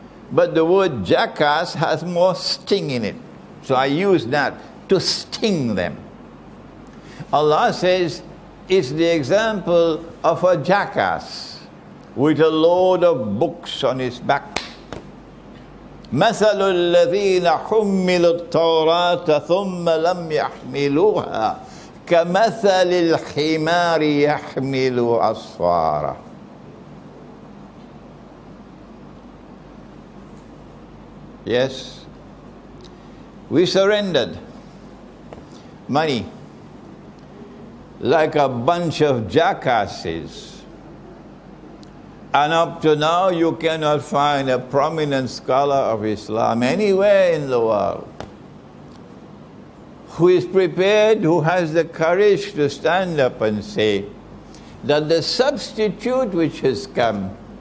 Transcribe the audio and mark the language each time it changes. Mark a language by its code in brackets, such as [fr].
[en] But the word jackass has more sting in it. So I use that to sting them. Allah says, it's the example of a jackass with a load of books on his back. [ar] مَثَلُ الَّذِينَ حُمِّلُوا التَّوْرَاةَ ثُمَّ لَمْ يَحْمِلُوهَا كمثل الحمار يحمل أسفارا. [en] Yes, we surrendered money like a bunch of jackasses. And up to now, you cannot find a prominent scholar of Islam anywhere in the world who is prepared, who has the courage to stand up and say that the substitute which has come